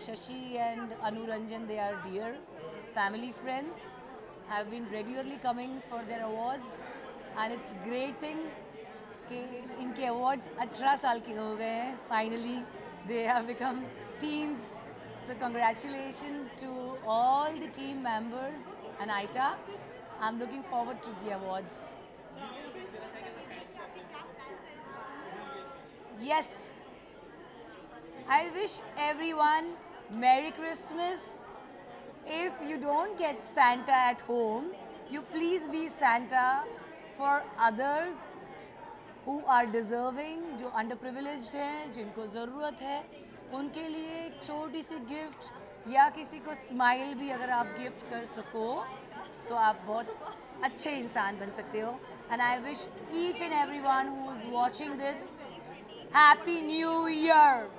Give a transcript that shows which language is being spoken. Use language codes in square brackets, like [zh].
[en] Shashi and Anuranjan, they are dear family friends, have been regularly coming for their awards and it's great thing [hi] कि इनके awards 18 साल के हो गए हैं. [en] Finally they have become teens. So congratulation to all the team members and ITA. I'm looking forward to the awards. Yes. I wish everyone Merry Christmas. If you don't get Santa at home, you please be Santa for others who are deserving, [hi] jo underprivileged hain, jinko zarurat hai, unke liye ek choti si gift ya kisi ko smile bhi agar aap gift kar sako, तो आप बहुत अच्छे इंसान बन सकते हो. [en] And I wish each and everyone who is watching this happy new year.